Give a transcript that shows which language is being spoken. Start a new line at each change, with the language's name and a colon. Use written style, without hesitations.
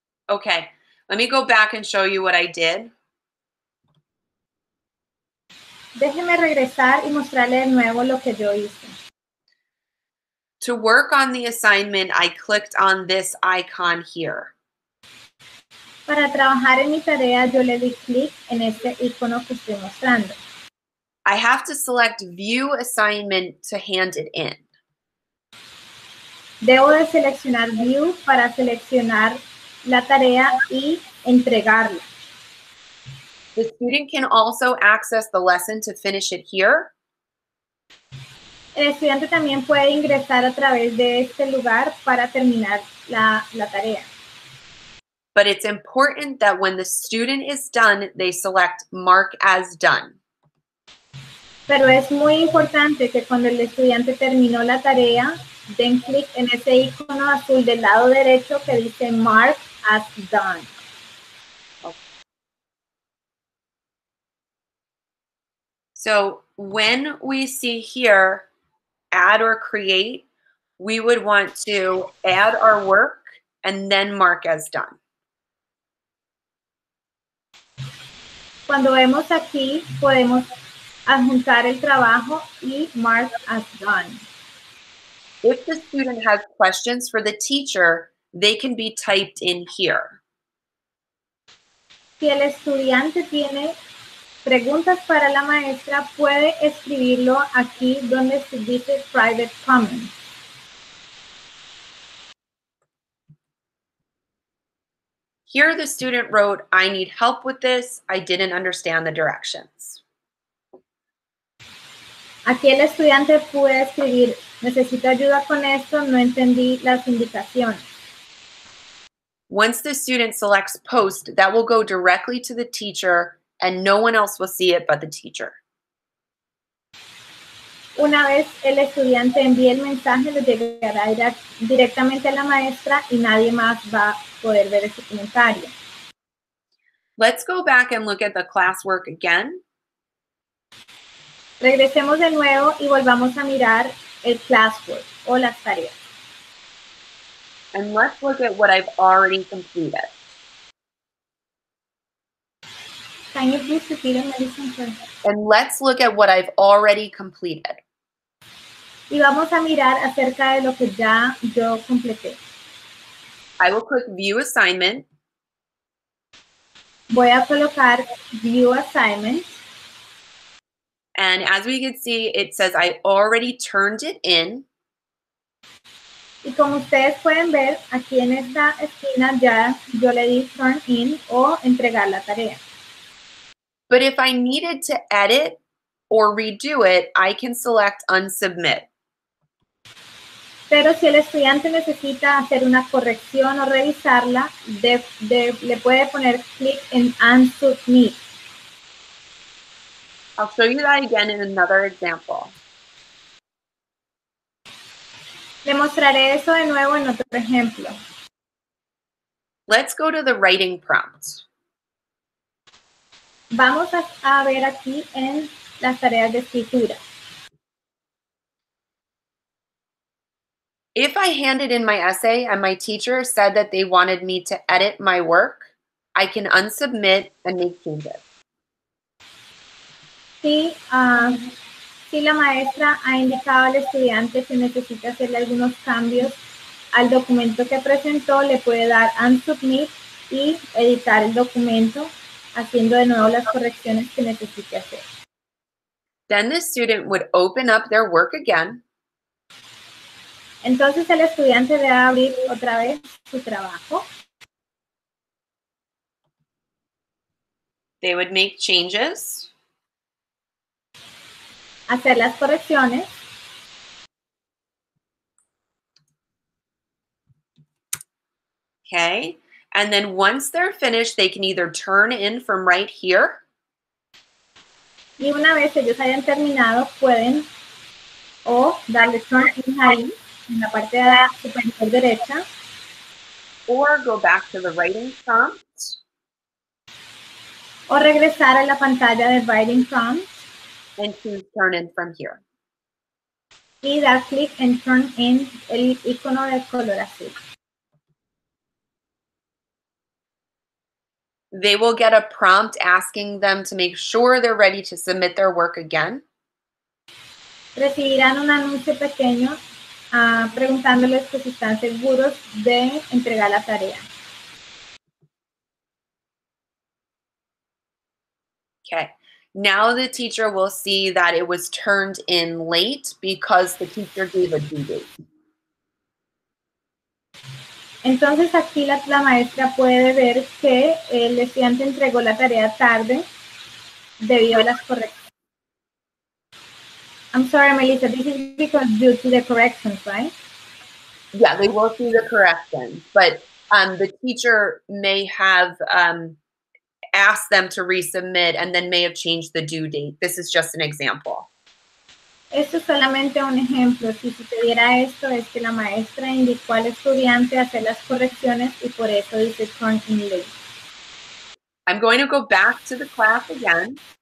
English: Okay, let me go back and show you what I did.
Spanish: Déjeme regresar y mostrarle de nuevo lo que yo hice.
English: To work on the assignment, I clicked on this icon here.
Spanish: Para trabajar en mi tarea, yo le di clic en este icono que estoy mostrando.
English: I have to select View Assignment to hand it in.
Spanish: Debo de seleccionar View para seleccionar la tarea y entregarla.
English: The student can also access the lesson to finish it here.
Spanish: El estudiante también puede ingresar a través de este lugar para terminar la tarea.
English: But it's important that when the student is done, they select Mark as Done.
Spanish: Pero es muy importante que cuando el estudiante terminó la tarea, den clic en ese icono azul del lado derecho que dice Mark as Done.
English: So when we see here, add or create, we would want to add our work and then mark as done.
Spanish: Cuando vemos aquí, podemos adjuntar el trabajo y mark as done.
English: If the student has questions for the teacher, they can be typed in here.
Spanish: Si el estudiante tiene preguntas para la maestra, puede escribirlo aquí donde se dice private comments.
English: Here the student wrote, I need help with this. I didn't understand the directions.
Spanish: Aquí el estudiante puede escribir, necesito ayuda con esto, no entendí las indicaciones.
English: Once the student selects post, that will go directly to the teacher and no one else will see it but the teacher.
Spanish: Una vez el estudiante envíe el mensaje, lo llegará directamente a la maestra y nadie más va a poder ver ese comentario.
English: Let's go back and look at the classwork again.
Spanish: Regresemos de nuevo y volvamos a mirar el classwork o las tareas.
English: And let's look at what I've already completed. Can you please repeat it, Madison, please? And let's look at what I've already completed.
Spanish: Y vamos a mirar acerca de lo que ya yo completé.
English: I will click View Assignment.
Spanish: Voy a colocar View Assignment.
English: And as we can see, it says I already turned it in.
Spanish: Y como ustedes pueden ver, aquí en esta esquina ya yo le di Turn In o entregar la tarea.
English: But if I needed to edit or redo it, I can select unsubmit.
Spanish: Pero si el estudiante necesita hacer una corrección o revisarla, le puede poner clic en unsubmit.
English: I'll show you that again in another example.
Spanish: Le mostraré eso de nuevo en otro ejemplo.
English: Let's go to the writing prompt.
Spanish: Vamos a ver aquí en las tareas de escritura.
English: If I handed in my essay and my teacher said that they wanted me to edit my work, I can unsubmit and make changes.
Spanish: Si la maestra ha indicado al estudiante que necesita hacerle algunos cambios al documento que presentó, le puede dar unsubmit y editar el documento, haciendo de nuevo las correcciones que necesite hacer.
English: Then the student would open up their work again.
Spanish: Entonces el estudiante debe abrir otra vez su trabajo.
English: They would make changes.
Spanish: Hacer las correcciones.
English: Okay. And then once they're finished, they can either turn in from right here.
Spanish: Y una vez ellos hayan terminado, pueden o darle turn in ahí, en la parte de la superior derecha.
English: Or go back to the writing prompt.
Spanish: O regresar a la pantalla de writing prompt.
English: And choose turn in from here.
Spanish: Y dar click and turn in el icono de color azul.
English: They will get a prompt asking them to make sure they're ready to submit their work again.
Spanish: Recibirán un anuncio pequeño preguntándoles que si están seguros de entregar la tarea.
English: Okay. Now the teacher will see that it was turned in late because the teacher gave a due date.
Spanish: Entonces aquí la maestra puede ver que el estudiante entregó la tarea tarde debido a las correcciones.
English: I'm sorry, Melissa, this is because due to the corrections, right? Yeah, they will see the corrections, but the teacher may have asked them to resubmit and then may have changed the due date. This is just an example.
Spanish: Esto es solamente un ejemplo. Si sucediera esto, es que la maestra indicó al estudiante hacer las correcciones y por eso dice turn in late.
English: I'm going to go back to the class again.